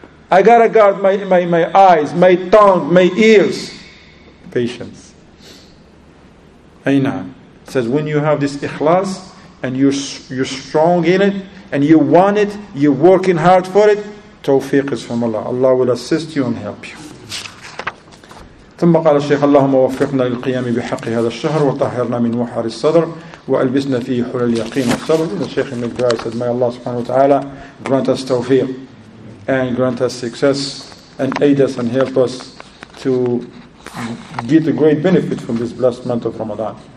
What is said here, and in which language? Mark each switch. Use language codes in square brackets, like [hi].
[en] I gotta guard my eyes, my tongue, my ears. Patience. Aina. Says when you have this ikhlas and you're strong in it and you want it, you're working hard for it, tawfiq is from Allah. Allah will assist you and help you. [ar] ثم قال الشيخ اللهم وفقنا للقيام بحق هذا الشهر وطهرنا من وحر الصدر وألبسنا فيه حلل اليقين والصبر. [en] The Sheikh Ibn Ibrahim said, may Allah subhanahu wa ta'ala grant us tawfiq and grant us success and aid us and help us to get a great benefit from this blessed month of Ramadan.